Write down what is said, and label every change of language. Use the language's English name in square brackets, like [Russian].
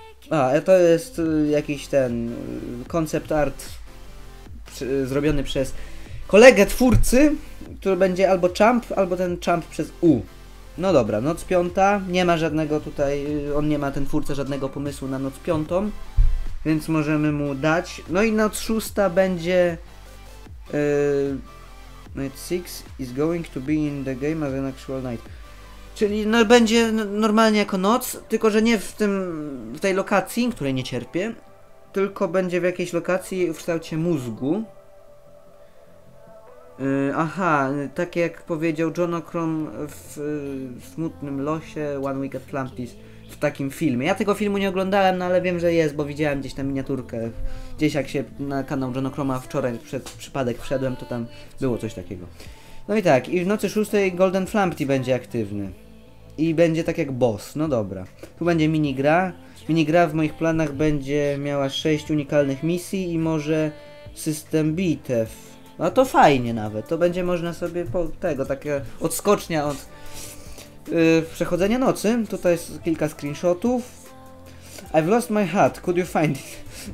[Polish] A, to jest jakiś ten concept art zrobiony przez kolegę twórcy, który będzie albo Champ, albo ten Champ przez U. No dobra, noc piąta, nie ma żadnego tutaj, on nie ma, ten twórca, żadnego pomysłu na noc piątą, więc możemy mu dać. No i noc szósta będzie... [English] Night 6 is going to be in the game as an actual night. [Polish] Czyli no, będzie normalnie jako noc, tylko że nie w tej lokacji, której nie cierpię, tylko będzie w jakiejś lokacji w kształcie mózgu. Aha, tak jak powiedział John Okrom w Smutnym losie, One Week at Atlantis, w takim filmie. Ja tego filmu nie oglądałem, no ale wiem, że jest, bo widziałem gdzieś tam miniaturkę. Gdzieś jak się na kanał John Okroma wczoraj przed przypadek wszedłem, to tam było coś takiego. No i tak, i w nocy szóstej Golden Flumpty będzie aktywny. I będzie tak jak boss, no dobra. Tu będzie minigra. Minigra w moich planach będzie miała 6 unikalnych misji i może system bitew. No to fajnie nawet, to będzie można sobie po tego, takie odskocznia od przechodzenia nocy. Tutaj jest kilka screenshotów. [English] I've lost my hat, could you find it?